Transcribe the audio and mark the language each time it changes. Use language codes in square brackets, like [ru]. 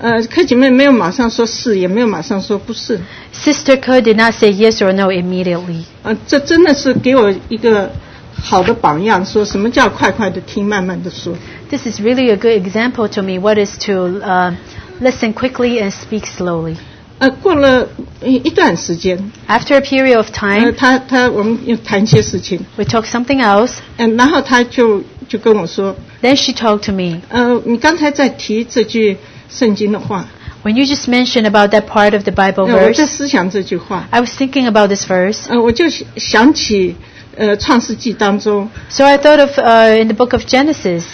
[zh] 柯姐妹没有马上说是，也没有马上说不是。 [en] Sister Ko did not say yes or no immediately. [zh] 这真的是给我一个好的榜样，说什么叫快快的听，慢慢的说。 [en] This is really a good example to me. What is to listen quickly and speak slowly. [zh] 过了一段时间。 [en] After a period of time. [zh] 他我们又谈一些事情。 [en] We talk something else. [zh] 然后他就跟我说。 [en] Then she talked to me. [zh] 你刚才在提这句圣经的话。 [en] When you just mentioned about that part of the Bible verse. [zh] 我在思想这句话。 [en] I was thinking about this verse. [zh] 我就想起创世纪当中。 [en] So I thought of in the book of Genesis.